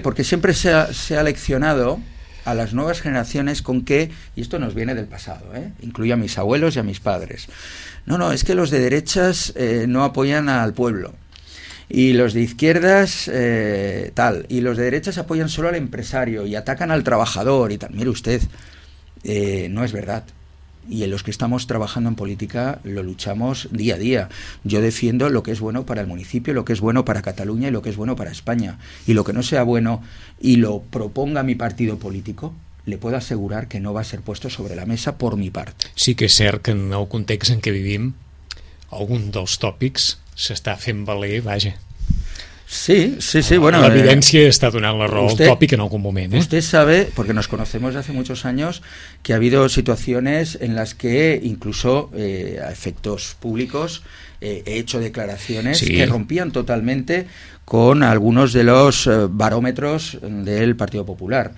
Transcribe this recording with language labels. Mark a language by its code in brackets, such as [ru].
[es] Porque siempre se ha leccionado a las nuevas generaciones con que, y esto nos viene del pasado, incluyo a mis abuelos y a mis padres, no, es que los de derechas no apoyan al pueblo, y los de izquierdas tal, y los de derechas apoyan solo al empresario y atacan al trabajador y tal. Mire usted, no es verdad, y en los que estamos trabajando en política lo luchamos día a día. Yo defiendo lo que es bueno para el municipio, lo que es bueno para Cataluña y lo que es bueno para España, y lo que no sea bueno y lo proponga mi partido político, le puedo asegurar que no va a ser puesto sobre la mesa por mi parte. [ca] Sí que és cert que en el context en què vivim algun dels tòpics s'està fent valer, vaja. [es] Sí, bueno. La evidencia está donando la razón al tópico en algún momento. Usted sabe, porque nos conocemos hace muchos años, que ha habido situaciones en las que incluso a efectos públicos he hecho declaraciones, sí, que rompían totalmente con algunos de los barómetros del Partido Popular.